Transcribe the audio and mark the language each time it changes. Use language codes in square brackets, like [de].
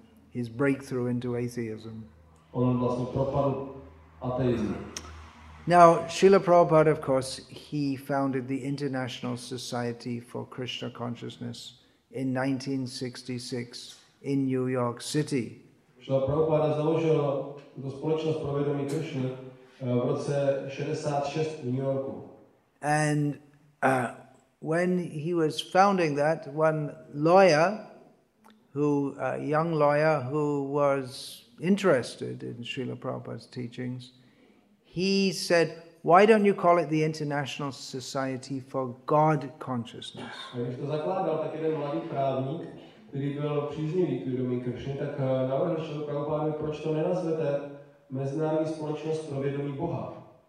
[en] His breakthrough into atheism. [cs] On vlastně propadl ateismu. [en] Now, Srila Prabhupada, of course, he founded the International Society for Krishna Consciousness in 1966 in New York City. [cs] Srila Prabhupada založil tu společnost pro vědomí Krishna v roce 66 v New Yorku. [en] And when he was founding that, one lawyer, young lawyer who was interested in Srila Prabhupada's teachings, he said, why don't you call it the International Society for God Consciousness? [cs] Když to zakládal, tak jeden mladý právník, který byl příznivý k vědomí Kršny, tak navrhl Šilu Prabhupádu, proč to nenazvete Mezinárodní společnost pro vědomí Boha.